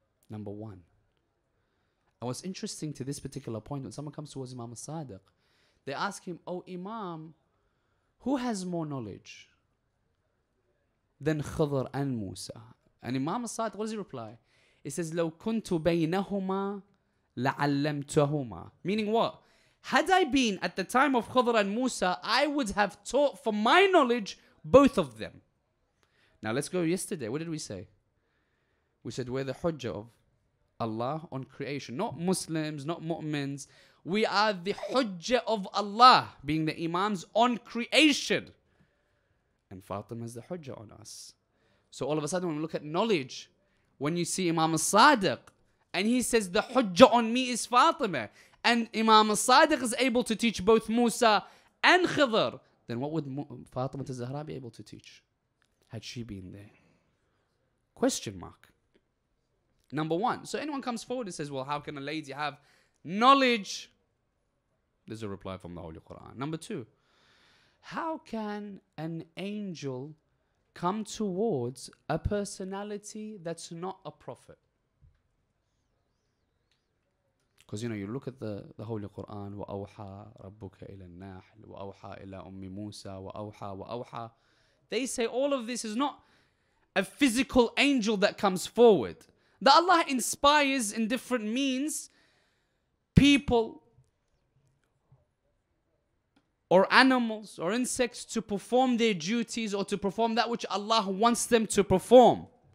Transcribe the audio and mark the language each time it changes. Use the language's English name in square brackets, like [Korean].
[English] Number one. And what's interesting to this particular point, when someone comes towards Imam al-Sadiq, they ask him, oh Imam, who has more knowledge than Khidr and Musa? And Imam al-Sadiq, what does he reply? He says, [Arabic] لو كنت بينهما لعلمتهما. [English] Meaning what? Had I been at the time of Khidr and Musa, I would have taught from my knowledge both of them. Now let's go yesterday. What did we say? We said we're the hujja of Allah on creation. Not Muslims, not mu'mins. We are the hujja of Allah, being the imams on creation. And Fatima is the hujja on us. So all of a sudden when we look at knowledge, when you see Imam al-Sadiq and he says the hujja on me is Fatima, and Imam al-Sadiq is able to teach both Musa and Khidr, then what would Fatima al-Zahra be able to teach had she been there? Question mark. Number one. So anyone comes forward and says, well, how can a lady have knowledge? There's a reply from the Holy Quran. Number two. How can an angel come towards a personality that's not a prophet? Because, you know, you look at the Holy Quran, [Arabic] وَأَوْحَى رَبُّكَ إِلَى النَّاحِلِ وَأَوْحَى إِلَى أُمِّ مُوسَى وَأَوْحَى وَأَوْحَى. [English] They say all of this is not a physical angel that comes forward. That Allah inspires in different means people or animals or insects to perform their duties or to perform that which Allah wants them to perform.